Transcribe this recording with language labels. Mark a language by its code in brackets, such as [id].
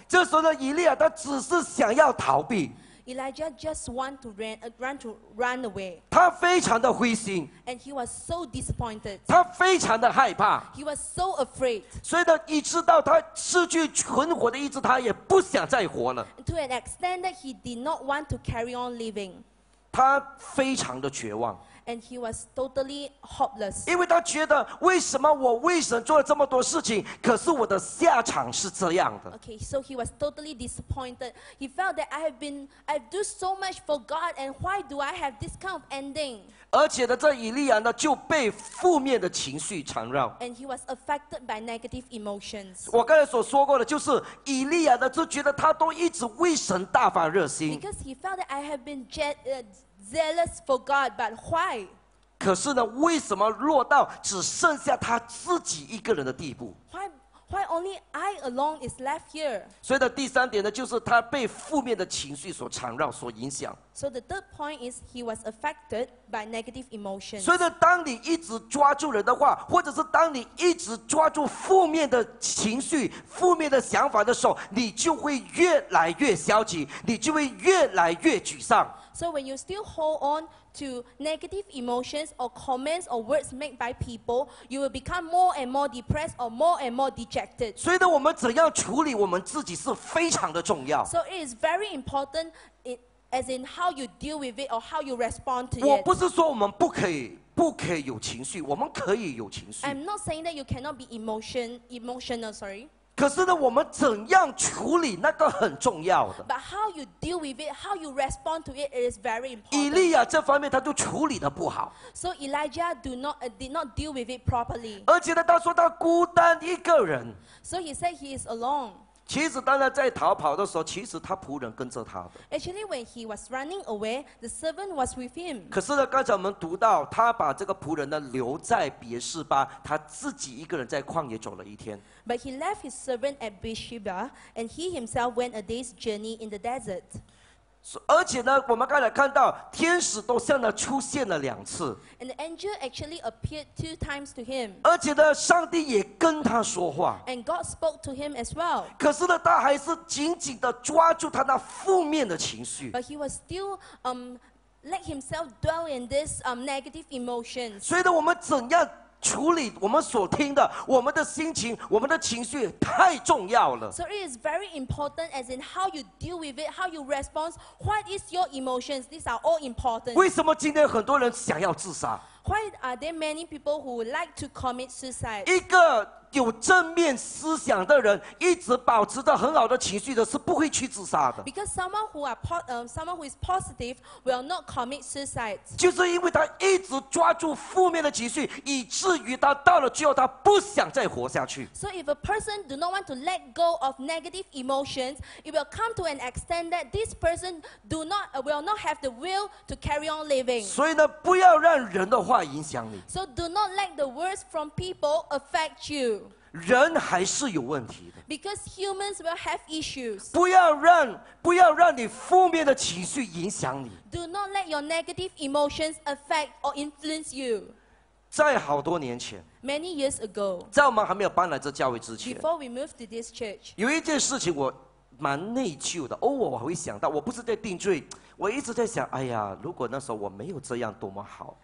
[zh] 这时候的以利亚，他只是想要逃避。 [en] Elijah just want to run away. [zh] 他非常的灰心。 [en] And he was so disappointed. [zh] 他非常的害怕。 [en] He was so afraid. [zh] 所以呢，一直到他失去存活的意志，他也不想再活了。 [en] To an extent that he did not want to carry on living. [zh] 他非常的绝望。 [en] And he was totally hopeless. [zh] 因为他觉得为什么我为神做了这么多事情，可是我的下场是这样的。 [en] Okay, so he was totally disappointed. He felt that I've do so much for God, and why do I have this kind of ending? [zh] 而且呢，这以利亚呢就被负面的情绪缠绕。 [en] And he was affected by negative emotions. [zh] 我刚才所说过的，就是以利亚呢就觉得他都一直为神大发热心。 [en] Because he felt that I have been zealous for God, but why? [zh] 可是呢，为什么落到只剩下他自己一个人的地步 [en] ？Why only I alone is left here? [zh] 所以呢，第三点呢，就是他被负面的情绪所缠绕、所影响。 [en] So the third point is he was affected by negative emotions. [zh] 所以呢，当你一直抓住人的话，或者是当你一直抓住负面的情绪、负面的想法的时候，你就会越来越消极，你就会越来越沮丧。 [en] So when you still hold on to negative emotions or comments or words made by people, you will become more and more depressed or more and more dejected. [zh] 所以呢，我们怎样处理我们自己是非常的重要。 [en] So it is very important, as in how you deal with it or how you respond to it. [zh] 我不是说我们不可以有情绪，我们可以有情绪。 [en] I'm not saying that you cannot be emotional. Sorry. [zh] 可是呢，我们怎样处理那个很重要的。 [en] But how you deal with it, how you respond to it is very important. [zh] 以利亚这方面他就处理的不好。 [en] So Elijah did not deal with it properly. [zh] 而且呢，他说他孤单一个人。 [en] So he said he is alone. [zh] 其实当他在逃跑的时候，其实他仆人跟着他的。 [en] Actually, when he was running away, the servant was with him. [zh] 可是呢，刚才我们读到，他把这个仆人呢留在别示巴，他自己一个人在旷野走了一天。 [en] But he left his servant at Beersheba, and he himself went a day's journey in the desert. [zh] 而且呢，我们刚才看到天使都向他出现了两次。 [en] And the angel actually appeared two times to him. [zh] 而且呢，上帝也跟他说话。 [en] And God spoke to him as well. [zh] 可是呢，他还是紧紧地抓住他那负面的情绪。 [en] But he was still let himself dwell in this negative emotions. [zh] 所以呢，我们怎样？处理我们所听的，我们的心情，我们的情绪太重要了。 [en] So it is very important, as in how you deal with it, how you respond. What is your emotions? These are all important. [zh] 为什么今天很多人想要自杀 [en] ？Why are there many people who would like to commit suicide? [zh] 一个有正面思想的人，一直保持着很好的情绪的，是不会去自杀的。 [en] Because someone who is positive will not commit suicide. [zh] 就是因为他一直抓住负面的情绪，以至于他到了最后，他不想再活下去。 [en] So if a person do not want to let go of negative emotions, it will come to an extent that this person will not have the will to carry on living. [zh] 所以呢，不要让人的话影响你。 [en] So do not let the words from people affect you. [zh] 人还是有问题的。 [en] Because humans will have issues. [zh] 不要让你负面的情绪影响你。 [en] Do not let your negative emotions affect or influence you. [zh] 在好多年前。 [en] Many years ago. [zh] 在我们还没有搬来这教会之前。 [en] Before we moved to this church. [zh] 有一件事情我蛮内疚的，偶尔我会想到，我不是在定罪。我一直在想，哎呀，如果那时候我没有这样，多么好。